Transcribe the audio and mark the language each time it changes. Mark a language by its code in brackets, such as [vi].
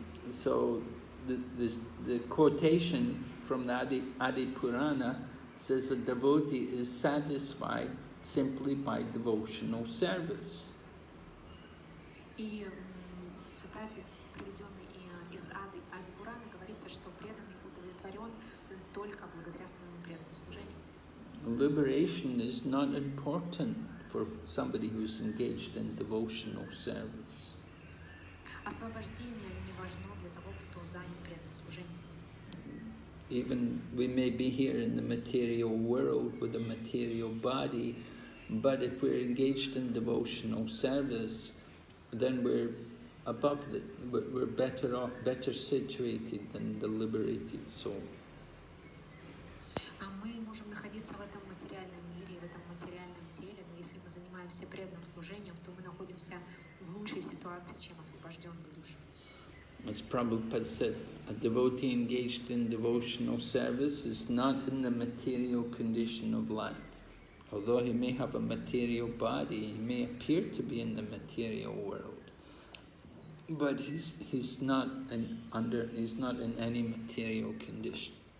[en] So the quotation from the Adipurana says a devotee is satisfied simply by devotional service. [ru] В цитате, приведенной из Адипураны, говорится, что преданный удовлетворен только благодаря своему преданному служению. [en] Liberation is not important for somebody who is engaged in devotional service. [ru] Освобождение не важно для того, кто занят преданным служением. [en] Even we may be here in the material world with a material body, But if we're engaged in devotional service, then we're above the, we're better off, better situated than the liberated soul. [ru] Мы можем находиться в этом материальном мире, в этом материальном теле, но если мы занимаемся преданным служением, то мы находимся в лучшей ситуации, чем освобожденные души. [en] As Prabhupada said, a devotee engaged in devotional service is not in the material condition of life. Although he may have a material body, he may appear to be in the material world, but he's not in any material condition.